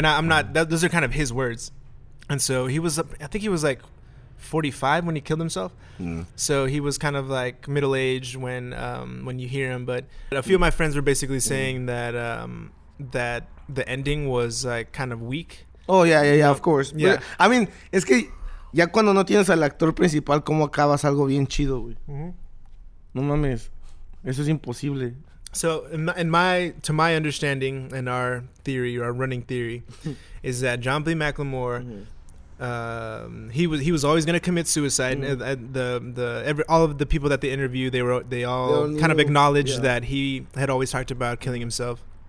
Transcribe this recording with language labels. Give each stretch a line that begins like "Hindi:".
English: And I'm not; those are kind of his words. And so he was, I think he was like 45 when he killed himself. Mm. So he was kind of like middle aged when you hear him. But a few of my friends were basically saying that the ending was like kind of weak. Oh yeah, of course. Yeah. I mean,
Spanish: es que ya cuando no tienes al actor principal, ¿cómo acabas algo bien chido, güey? Mm-hmm. No mames, eso es imposible.
English: So to my understanding and our theory, or our running theory, is that John B. McLemore, mm-hmm. he was always going to commit suicide. Mm-hmm. All of the people that they interviewed, they all acknowledged that he had always talked about killing himself.